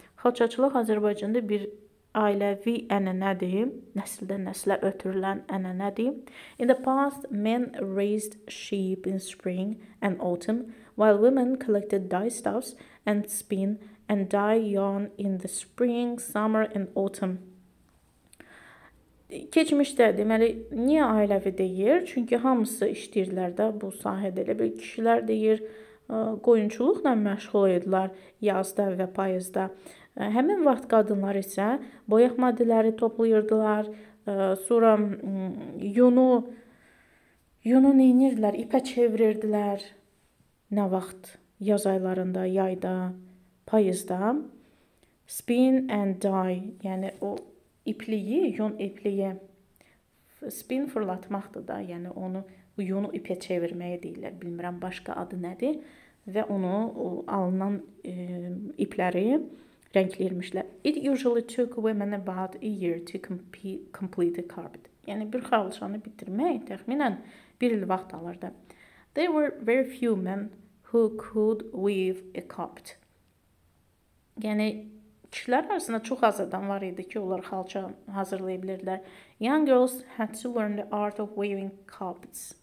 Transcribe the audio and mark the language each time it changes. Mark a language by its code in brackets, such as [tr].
[az] Xalçaçılıq Azərbaycanda bir ailəvi ənənədir, nəsildən nəslə ötürülən ənənədir. [en] In the past, men raised sheep in spring and autumn, while women collected dye stuffs and spin and dye yarn in the spring, summer and autumn. [az] Keçmişdə, deməli, niyə ailəvi deyir? Çünki hamısı işləyirlər də bu sahədə, elə bir kişilər deyir, qoyunçuluqla məşğul edirlər yazda və payızda. Həmin vaxt qadınlar isə boyaq maddələri toplayırdılar, sonra yunu neynirdilər, ipə çevirirdilər nə vaxt yaz aylarında, yayda, payızda. [en] Spin and dye, [az] yəni o ipliyi, yun ipliyi, spin fırlatmaqdır da, yəni onu yunu ipə çevirməyə deyirlər, bilmirəm başqa adı nədir və onu alınan ipləri rəngləyirmişlər. [en] It usually took women about a year to complete a carpet. [az] Yəni, bir xalçanı bitirmək təxminən bir il vaxt alırdı. [en] There were very few men who could weave a carpet. Yəni, [az] Kişiler arasında çox az adam var idi ki, onlar xalça hazırlaya bilirdilər. [en] Young girls had to learn the art of weaving carpets.